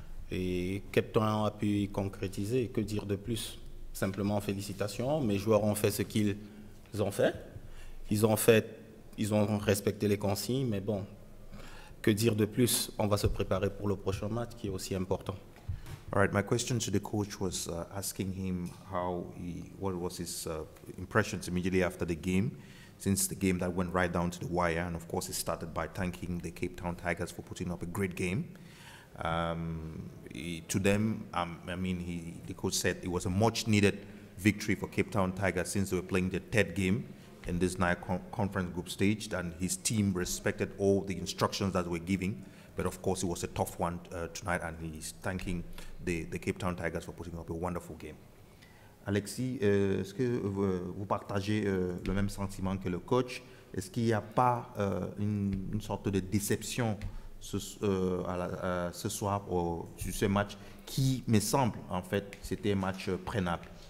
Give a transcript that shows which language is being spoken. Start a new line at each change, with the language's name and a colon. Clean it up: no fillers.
French: Et Cape Town a pu y concrétiser. Que dire de plus ? Simplement félicitations. Mes joueurs ont fait ce qu'ils ont fait. Ils ont respecté les consignes, mais bon, que dire de plus? On va se préparer pour le prochain match qui est aussi important.
English: All right, my question to the coach was asking him what was his impressions immediately after the game, since the game that went right down to the wire, and of course it started by thanking the Cape Town Tigers for putting up a great game. The coach said it was a much needed victory for Cape Town Tigers since they were playing their third game in this night conference group stage, and his team respected all the instructions that we're giving, but of course it was a tough one tonight, and he's thanking the Cape Town Tigers for putting up a wonderful game.
French: Alexis, est-ce que vous partagez le même sentiment que le coach? Est-ce qu'il n'y a pas une sorte de déception ce soir sur ce match qui me semble en fait c'était un match prenable?